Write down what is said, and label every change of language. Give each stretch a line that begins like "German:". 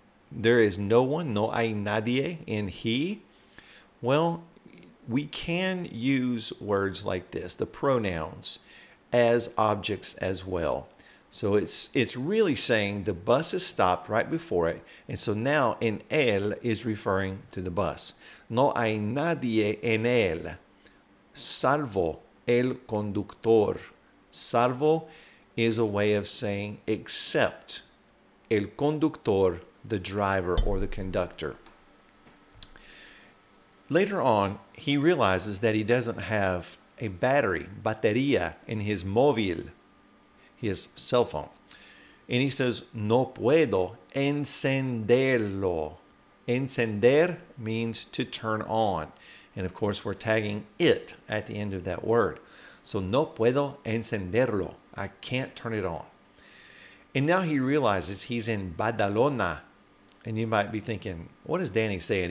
English: There is no one,
Spanish: no hay nadie
English: in he. Well, we can use words like this, the pronouns, as objects as well. So it's really saying the bus is stopped right before it. And so now
Spanish: en él
English: is referring to the bus.
Spanish: No hay nadie en él, salvo el conductor.
English: Salvo is a way of saying except
Spanish: el conductor,
English: the driver or the conductor. Later on, he realizes that he doesn't have a battery, batería, in his móvil, his cell phone.
Spanish: And he says, no puedo encenderlo.
English: Encender means to turn on. And of course, we're tagging it at the end of that word. So,
Spanish: no puedo encenderlo.
English: I can't turn it on. And now he realizes he's in Badalona. And you might be thinking, what is Danny saying?